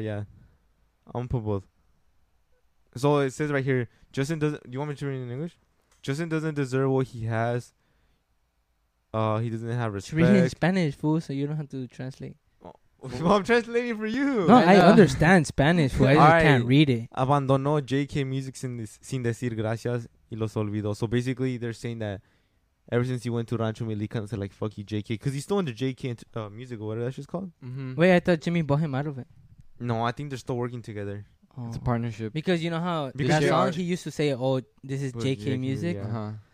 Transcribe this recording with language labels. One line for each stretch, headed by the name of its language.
English: I'm going to put both. So it says right here, Justin doesn't. You want me to read it in English? Justin doesn't deserve what he has. He doesn't have respect. Read in Spanish, fool, so you don't have to translate. Oh. Well, I'm translating for you. No, I understand Spanish, fool. I just right. can't read it.
Spanish: Abandonó JK Music sin decir gracias y los olvidó.
English: So basically, they're saying that ever since he went to Rancho Milica, they said, like, fuck you, JK. Because he's still under JK Music or whatever that shit's called. Mm-hmm. Wait, I thought Jimmy bought him out of it. No, I think they're still working together. Oh. It's a partnership. Because you know how because that song, he used to say, oh, this is JK Music. Yeah. Uh-huh.